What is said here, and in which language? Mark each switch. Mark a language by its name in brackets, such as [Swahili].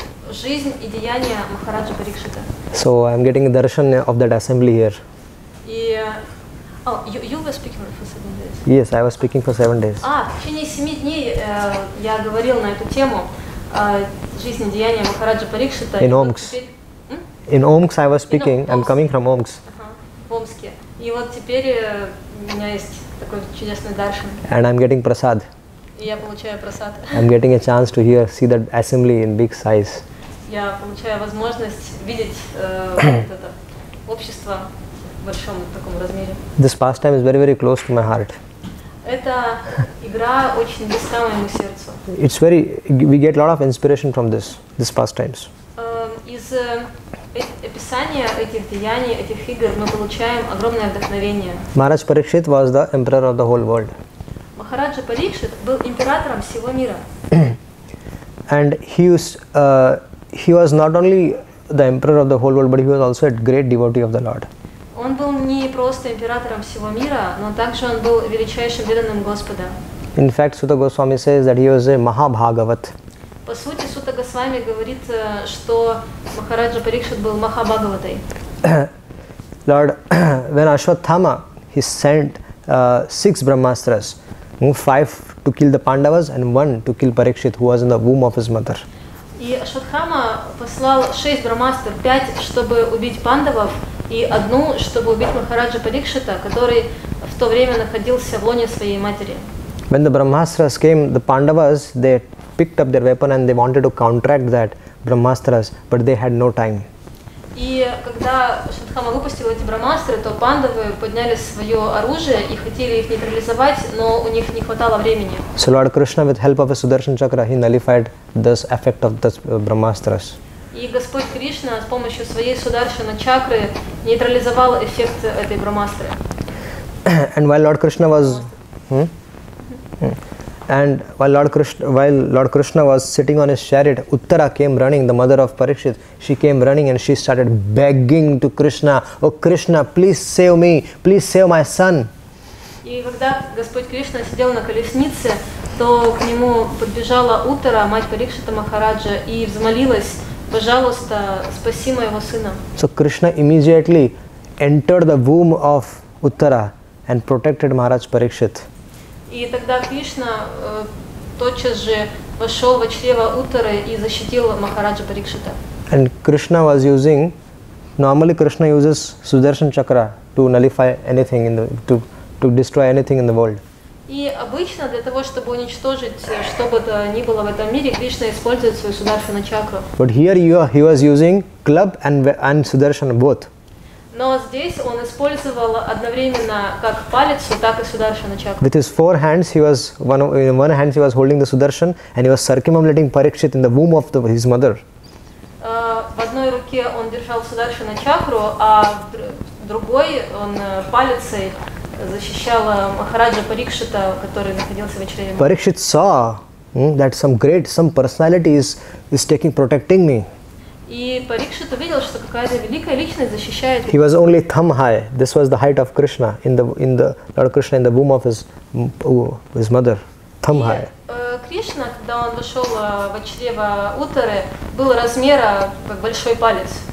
[Russian] Жизнь и деяния Махараджа Парикшита. [English] So I'm getting a darshan of that assembly here. You were speaking for 7 days. Yes, I was speaking for 7 days. [Russian] В течение 7 дней я говорил на эту тему жизнь и деяния Махараджа Парикшита. [English] In Омск. In Омск I was speaking. I'm coming from Омск. [Russian] В Омске. И вот теперь у меня есть такой чудесный даршан. [English] And I'm getting prasad. [Russian] Я получаю прасад. [English] I'm getting a chance to hear, see that assembly in big size. [Russian] Я получаю возможность видеть это общество в большом таком размере. [English] This pastime is very, very close to my heart. [Russian] Эта игра очень близка моему сердцу. [English] It's very, we get a lot of inspiration from this, this pastimes. [Russian] Из описания этих деяний, этих игр мы получаем огромное вдохновение. [English] Maharaj Parikshit was the emperor of the whole world. [Russian] Махараджа Парикшит был императором всего мира. [English] And he was not only the emperor of the whole world, but he was also a great devotee of the Lord. [Russian] Он был не просто императором всего мира, но также он был величайшим преданным Господа. [English] In fact, Сута Госвами says that he was a Mahabhagavat. [Russian] По сути, Сута Госвами говорит, что Махараджа Парикшит был Махабхагаватой. [English] Lord, when Ashwatthama, he sent 6 Brahmastras, 5 to kill the Pandavas and 1 to kill Parikshit, who was in the womb of his mother. [Russian] И Ашватхама послал 6 брамастр, 5, чтобы убить пандавов, и 1, чтобы убить Махараджа Парикшита, который в то время находился в лоне своей матери. [English] When the Brahmastras came, the Pandavas, they picked up their weapon and they wanted to counteract that Brahmastras, but they had no time. [Russian] И когда Шатхама выпустил эти брамастры, то пандавы подняли свое оружие и хотели их нейтрализовать, но у них не хватало времени. [English] So Lord Krishna, with help of a Sudarshan chakra, he nullified this effect of the brahmastras. [Russian] И Господь Кришна с помощью своей Сударшана чакры нейтрализовал эффект этой брамастры. [English] And while Lord Krishna was while Lord Krishna was sitting on his chariot, Uttara came running, the mother of Parikshit. She came running and she started begging to Krishna, "Oh Krishna, please save me, please save my son." [Russian] И когда Господь Кришна сидел на колеснице, то к нему подбежала Уттара, мать Парикшита Махараджа, и взмолилась: "Пожалуйста, спаси моего сына." [English] So Krishna immediately entered the womb of Uttara and protected Maharaj Parikshit. [Russian] И тогда Кришна тотчас же вошел во чрево Уттары и защитил Махараджа Парикшита. [English] And Krishna was using, normally Krishna uses Sudarshan chakra to nullify anything in the, to destroy anything in the world. [Russian] И обычно для того, чтобы уничтожить что бы то ни было в этом мире, Кришна использует свою Сударшана чакру. [English] But here he was using club and Sudarshan both. [Russian] Но здесь он использовал одновременно как палец, так и Сударшана чакру. [English] With his four hands, he was one hand he was holding the Sudarshan, and he was circumambulating Parikshit in the womb of his mother. [Russian] В одной руке он держал Сударшана чакру, а в другой он палец защищал Махараджа Парикшита, который находился в чреве. [English] Parikshit saw that some personality is protecting me. [Russian] И Парикшит увидел, что какая-то великая личность защищает. [English] He was only thumb high. This was the height of Krishna in the Lord Krishna in the womb of his mother, thumb high. [Russian] Кришна, когда он вошел в чрево Уттары, был размера как большой палец.